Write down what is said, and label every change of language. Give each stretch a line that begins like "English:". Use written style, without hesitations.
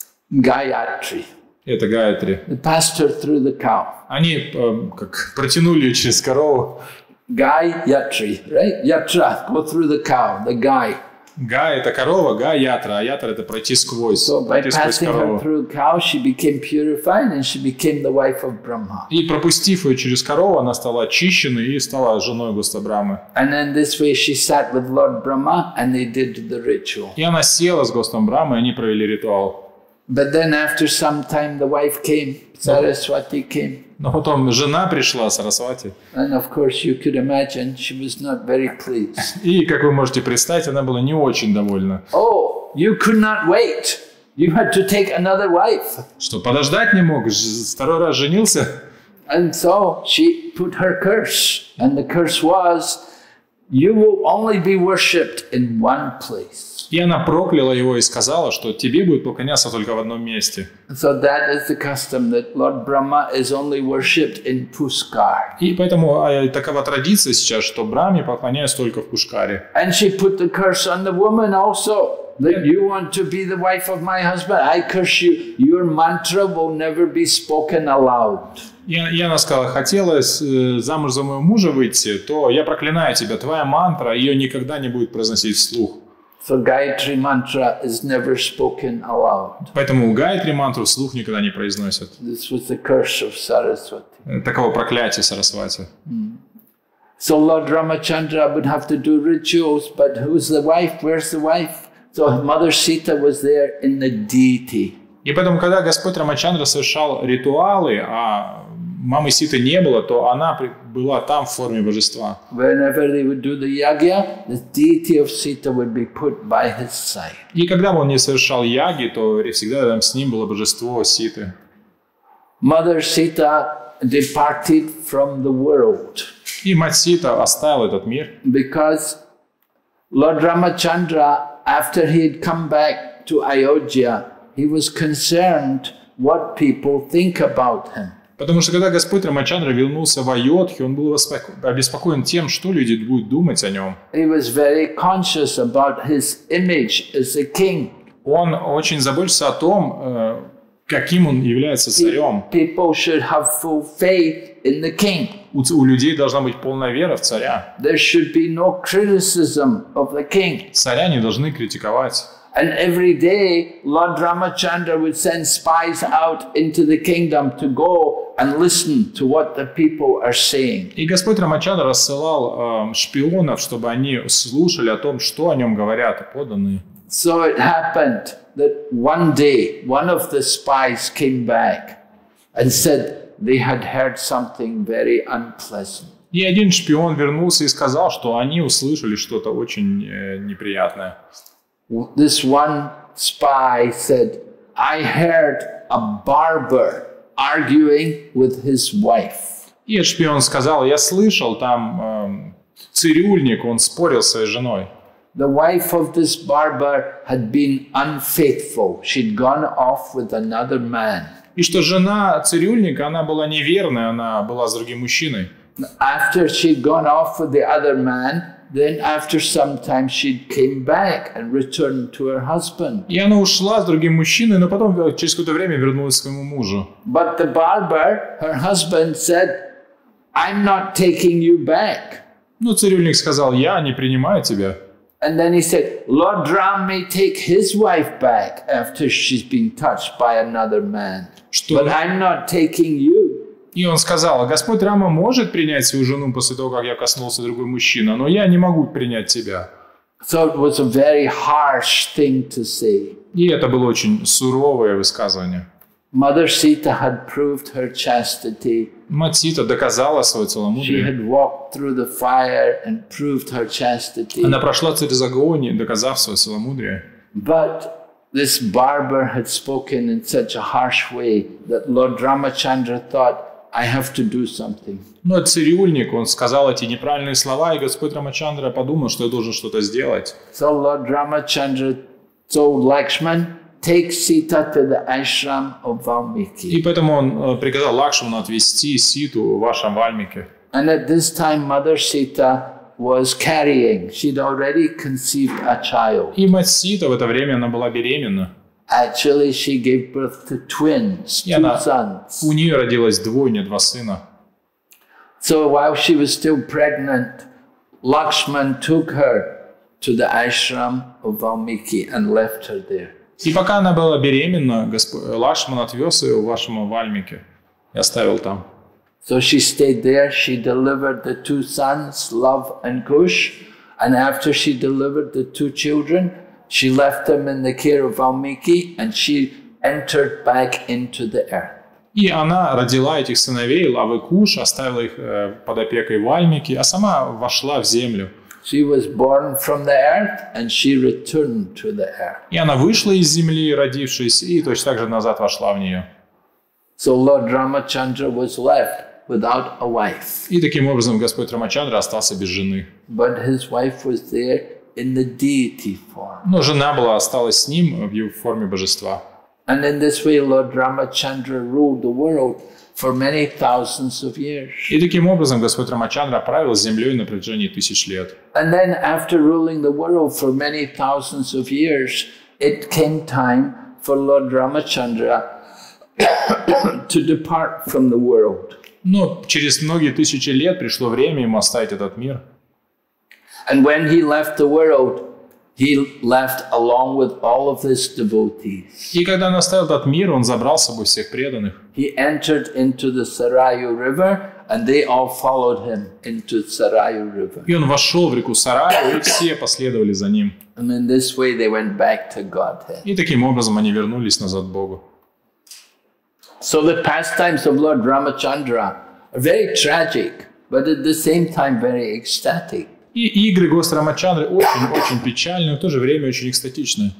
Russian: Гаятри. Это Гаятри.
English: They passed her through the cow.
Russian: Они как протянули ее через корову.
English: Гаятри, right? Ятра, go through the cow, the guy.
Russian: Гай – это корова, гай – ятра, а ятра – это пройти сквозь,
English: so,
Russian: пройти сквозь корову.
English: Through cow, she became purified and she became the wife of Brahma.
Russian: И пропустив ее через корову, она стала очищенной и стала женой Господа Брахмы.
English: And then this way she sat with Lord Brahma and they did the ritual.
Russian: И она села с Господом Брахмы, и они провели ритуал.
English: But then after some time the wife came, Saraswati came.
Russian: Но потом жена пришла, Сарасвати.
English: And of course you could imagine she was not very pleased.
Russian: И как вы можете представить, она была не очень довольна.
English: Oh, you could not wait. You had to take another wife.
Russian: Что, подождать не мог? Второй раз женился?
English: And so she put her curse. And the curse was, You will only be worshipped in one place.
Russian: И она прокляла его и сказала, что тебе будет поклоняться только в одном месте.
English: So that is the custom that Lord Brahma is only worshipped in Pushkar.
Russian: И поэтому такова традиция сейчас, что Брахме поклоняются только в Пушкаре.
English: And she put the curse on the woman also. That you want to be the wife of my husband, I curse you. Your mantra will never be spoken aloud.
Russian: И она сказала, хотелось замуж за моего мужа выйти, то я проклинаю тебя, твоя мантра, ее никогда не будет произносить вслух.
English: So Gayatri mantra is never spoken aloud.
Russian: Поэтому Гайтри мантру вслух никогда не произносят.
English: This was the curse of Saraswati.
Russian: Таково проклятие Сарасвати.
English: So Lord Ramachandra would have to do rituals, but who's the wife? Where's the wife? So Mother Sita was there in the deity.
Russian: И поэтому, когда Господь Рамачандра совершал ритуалы, а Мамы Ситы не было, то она была там в форме божества.
English: Whenever they would do the yagya, the deity of Sita would be put by his side.
Russian: И когда бы он не совершал яги, то всегда рядом с ним было божество Ситы.
English: Mother Sita departed from the world.
Russian: И мать Сита оставила этот мир.
English: Because Lord Ramachandra, after he had come back to Ayodhya, he was concerned what people think about him.
Russian: Потому что когда Господь Рамачандра вернулся в Айодхи, он был обеспокоен тем, что люди будут думать о нем.
English: He was very conscious about his image as a king.
Russian: Он очень заботился о том, каким он является царем.
English: People should have full faith in the king.
Russian: У людей должна быть полная вера в царя.
English: There should be no criticism of the king.
Russian: Царя не должны критиковать.
English: And every day, Lord Ramachandra would send spies out into the kingdom to go and listen to what the people are saying.
Russian: И Господь Рамачандра рассылал шпионов, чтобы они слушали о том, что о нем говорят подданные.
English: So it happened that one day, one of the spies came back and said they had heard something very unpleasant.
Russian: И один шпион вернулся и сказал, что они услышали что-то очень неприятное.
English: This one spy said, I heard a barber arguing with his wife.
Russian: И этот шпион сказал, я слышал, там цирюльник, он спорил с своей женой.
English: The wife of this barber had been unfaithful. She'd gone off with another man.
Russian: И что жена цирюльника, она была неверная, она была с другим мужчиной.
English: After she'd gone off with the other man, then after some time she came back and returned to her husband.
Russian: И она ушла с другим мужчиной, но потом через какое-то время вернулась к своему мужу.
English: But the barber, her husband, said, "I'm not taking you back."
Russian: Ну, цирюльник сказал, "Я не принимаю тебя."
English: And then he said, "Lord Ram may take his wife back after she's been touched by another man, but I'm not taking you."
Russian: И он сказал, Господь Рама может принять свою жену после того, как я коснулся другой мужчины, но я не могу принять тебя.
English: So it was a very harsh thing to say.
Russian: И это было очень суровое высказывание.
English: Mother Sita had proved her chastity.
Russian: Мать Сита доказала свое целомудрие.
English: She had walked through the fire and proved her chastity.
Russian: Она прошла через огонь, доказав свое целомудрие.
English: But this barber had spoken in such a harsh way that Lord Ramachandra thought, I have to do something.
Russian: Но цирюльник, он сказал эти неправильные слова, и Господь Рамачандра подумал, что я должен что-то сделать.
English: So Lord Ramachandra told Lakshman, take Sita to the ashram of Valmiki.
Russian: И поэтому он приказал Лакшману отвезти Ситу в ашрам Вальмики.
English: And at this time, Mother Sita was carrying. She'd already conceived a child.
Russian: И мать Сита в это время она была беременна.
English: Actually, she gave birth to twins, two sons.
Russian: У нее родилось двойня, два сына.
English: So while she was still pregnant, Lakshman took her to the ashram of Valmiki and left her there.
Russian: И пока она была беременна, Лакшман отвез ее в ашрам Вальмики и оставил там.
English: So she stayed there. She delivered the two sons, Love and Kush, and after she delivered the two children, she left them in the care of Valmiki and she entered back into the earth.
Russian: И она родила этих сыновей, Лав и Куш, оставила их под опекой Вальмики, а сама вошла в землю.
English: She was born from the earth and she returned to the earth.
Russian: И она вышла из земли, родившись, и точно так же назад вошла в нее.
English: So Lord Ramachandra was left without a wife.
Russian: И таким образом Господь Рамачандра остался без жены.
English: But his wife was there in the deity form.
Russian: Но жена была осталась с ним в его форме божества.
English: And in this way, Lord Ramachandra ruled the world for many thousands of years.
Russian: И таким образом Господь Рамачандра правил землей на протяжении тысяч лет.
English: And then, after ruling the world for many thousands of years, it came time for Lord Ramachandra to depart from the world.
Russian: Но через многие тысячи лет пришло время ему оставить этот мир.
English: And when he left the world, he left along with all of his devotees.
Russian: И когда он оставил этот мир, он забрал с собой всех преданных.
English: He entered into the Sarayu River, and they all followed him into Sarayu River.
Russian: И он вошел в реку Сараю, и все последовали за ним.
English: And in this way, they went back to Godhead.
Russian: И таким образом они вернулись назад к Богу.
English: So the pastimes of Lord Ramachandra are very tragic, but at the same time very ecstatic.
Russian: И игры Господа Рамачандры очень-очень печальны, но в то же время очень экстатичны.